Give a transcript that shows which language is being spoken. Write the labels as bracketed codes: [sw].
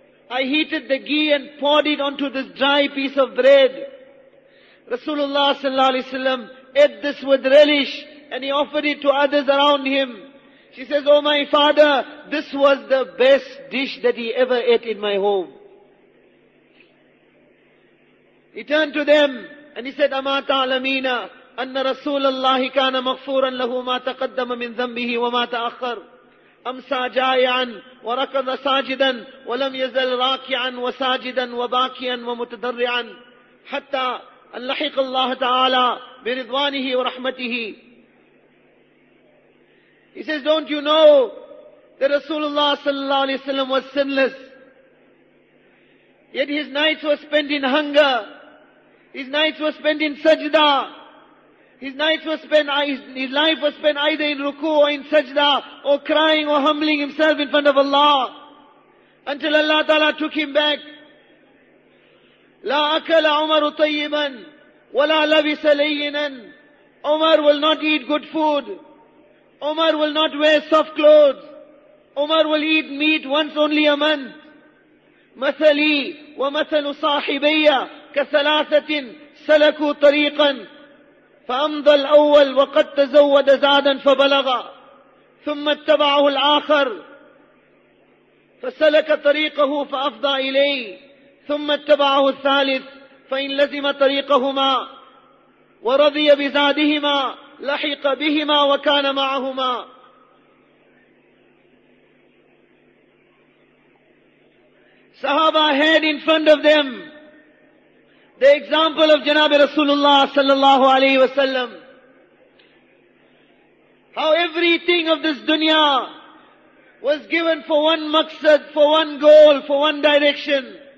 [en] I heated the ghee and poured it onto this dry piece of bread. Rasulullah sallallahu alaihi wasallam ate this with relish and he offered it to others around him. She says, oh my father, this was the best dish that he ever ate in my home. He turned to them and he said, [ar] أَمَا تَعْلَمِينَ أَنَّ رَسُولَ اللَّهِ كَانَ مَغْفُورًا لَهُ مَا تَقَدَّمَ مِنْ ذَنْبِهِ وَمَا تَأَخَّرَ أَمْسَى جَائِعًا وَرَكَضَ سَاجِدًا وَلَمْ يَزَلْ رَاكِعًا وَسَاجِدًا وَبَاكِيًا وَمُتَضَرِّعًا حَتَّى لَحِقَ اللَّهُ تَعَالَى بِرِضْوَانِهِ وَرَحْمَتِهِ. [en] He says, don't you know that Rasulullah sallallahu alaihi wasallam was sinless? Yet his nights were spent in hunger. His nights were spent in sajda. His life was spent either in ruku or in sajda, or crying or humbling himself in front of Allah. Until Allah Ta'ala took him back. [ar] لا أكل عمر طيبا ولا لبس لينا. [en] Umar will not eat good food. Umar will not wear soft clothes. Umar will eat meat once only a month. [ar] مثلي ومثل صاحبي كثلاثة سلكوا طريقا ف فأمضى الأول وقد تزود زادا فبلغ، ثم اتبعه الآخر فسلك طريقه فأفضى إليه، ثم اتبعه الثالث فإن لزم طريقهما ورضي بزادهما لحق بهما وكان معهما. [en] Sahaba had in front of them the example of Janabi Rasulullah sallallahu alayhi wa sallam. How everything of this dunya was given for one maqsad, for one goal, for one direction.